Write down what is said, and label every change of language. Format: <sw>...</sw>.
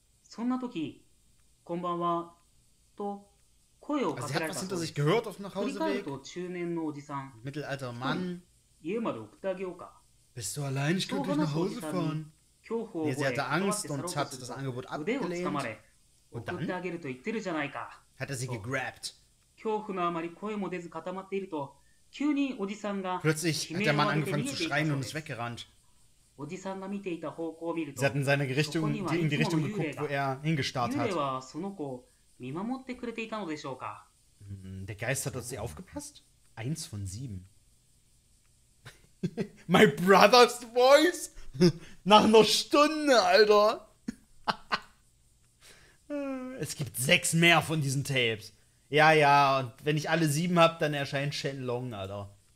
<ja>こんばんはと声をかけられたそうです。振り返ると中年のおじさん、</ja> <de>Mittelalter Mann、</de> <ja>家まで送ってあげようか。</ja> <de>Bist du allein? Ich könnte nach Hause fahren.</de> <ja>恐怖を覚え、</ja> <de>Sie hatte Angst und hat das Angebot abgelehnt.</de> <ja>腕をつかまれ、送ってあげると言ってるじゃないか。</ja> <de>Hat er sie gegrabbed.</de> <ja>恐怖のあまり声も出ず固まっていると、急におじさんが、</ja> <de>Plötzlich hat der Mann angefangen zu schreien und ist weggerannt.</de> <ja>おじさんが見ていた方向を見ると、</ja> <de>Sie hatten seine Richtung, in die Richtung geguckt, wo er hingestarrt hat.</de> <ja>幽霊はその子を見守ってくれていたのでしょうか?</ja> <de>Der Geist hat auf sie aufgepasst? Eins von sieben.</de> <en>My brother's voice?</en> <de>Nach einer Stunde, Alter! Es gibt sechs mehr von diesen Tapes. Ja, ja, und wenn ich alle sieben hab, dann erscheint Shenlong, Alter.</de>